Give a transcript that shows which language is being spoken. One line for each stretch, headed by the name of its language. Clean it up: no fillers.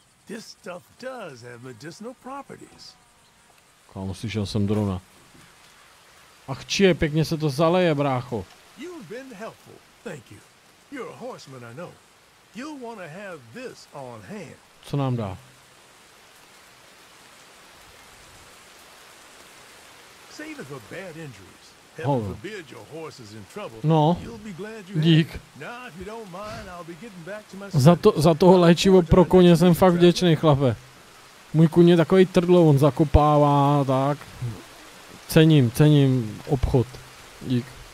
English: This stuff does have medicinal properties.
Czech: Kámo, slyšel jsem drona. Ach čije, pěkně se to zaleje, brácho.
English: You've been helpful, thank you. You're a horseman, I know. You'll want to have this on hand.
Czech: Co nám dá?
English: Save it for bad injuries. Heaven forbid your horse is in trouble.
Czech: No.
English: You'll be glad you
Czech: dík.
English: Now, if you don't mind, I'll be getting back to my.
Czech: Za toho léčivo pro koně jsem fakt vděčný, chlape. Můj kuň je takový trdlo, on zakopává, tak. Cením obchod. Dík.